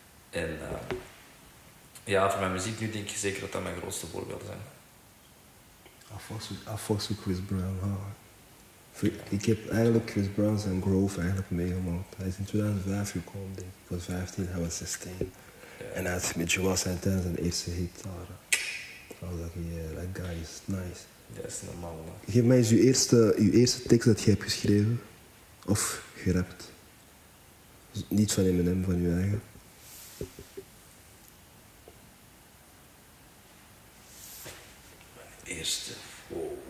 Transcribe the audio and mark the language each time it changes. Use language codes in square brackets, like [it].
[nl] En voor mijn muziek nu denk ik zeker dat mijn grootste voorbeelden zijn. [en] I fuck with Chris Brown, huh? [nl] Ik heb eigenlijk Chris Brown zijn growth eigenlijk meegemaakt. Hij is in 2005 gekomen, denk ik. Ik was 15, hij was 16. En hij had met Joao Santana zijn eerste hit daar. [en] I was like, yeah, that guy is nice. [nl] Ja, is normaal, man. Geef mij eens je eerste tekst dat je hebt geschreven. Of gerapt. Dus niet van Eminem, van je eigen. Eerste. Wow.